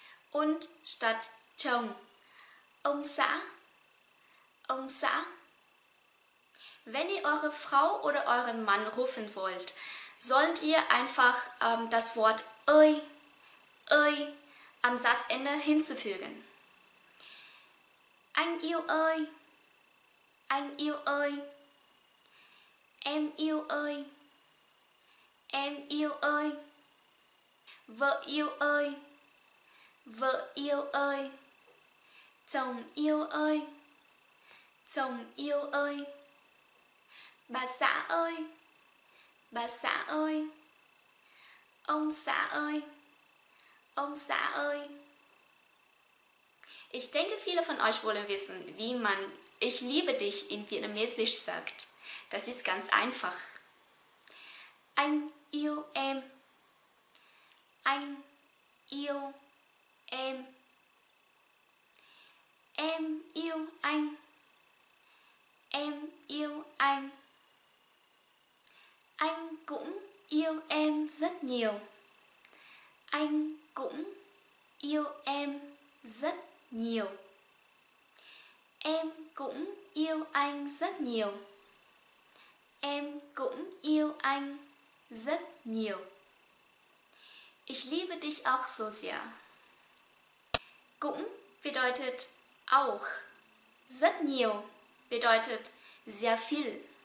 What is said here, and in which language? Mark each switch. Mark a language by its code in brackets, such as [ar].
[de] Und statt [vi] chồng ông xã, ông xã. [de] Wenn ihr eure Frau oder euren Mann rufen wollt, sollt ihr einfach das Wort [vi] ơi, ơi [de] am Satzende hinzufügen. [vi] Anh yêu ơi, anh yêu ơi, em yêu ơi, em yêu ơi, vợ yêu ơi, vợ yêu ơi, chồng yêu ơi, chồng yêu ơi, bà xã ơi, bà xã ơi, ông xã ơi, ông xã ơi. [de] Ich denke, viele von euch wollen wissen, wie man ich liebe dich in Vietnamesisch sagt. Das ist ganz einfach. [vi] Anh yêu em. Anh yêu em. Em yêu anh. Em yêu anh. Anh cũng yêu em rất nhiều. Anh cũng yêu em rất nhiều. Em cũng yêu anh rất nhiều. Em cũng yêu anh rất nhiều. [de] Ich liebe dich auch so sehr. Cũng bedeutet auch. [vi] Rất nhiều [de] bedeutet sehr viel.